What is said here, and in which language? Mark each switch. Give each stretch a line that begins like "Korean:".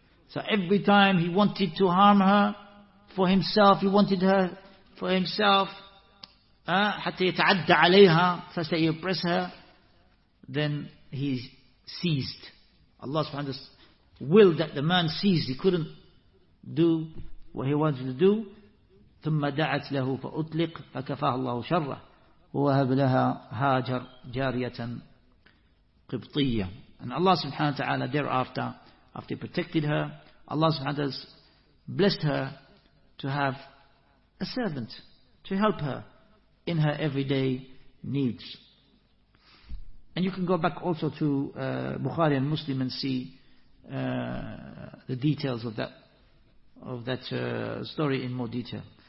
English: So every time he wanted to harm her for himself, he wanted her for himself,
Arabic: حتى يتعدى عليها,
English: such that he oppressed her, then he ceased. Allah subhanahu wa ta'ala willed that the man ceased. He couldn't do what he wanted to do.
Arabic: ثم دعت له فأطلق فكفاه الله شره ووهب لها هاجر جارية قبطية.
English: And Allah subhanahu wa ta'ala thereafter, after he protected her, Allah subhanahu wa ta'ala blessed her to have a servant to help her in her everyday needs. And you can go back also to Bukhari and Muslim and see the details of that story in more detail.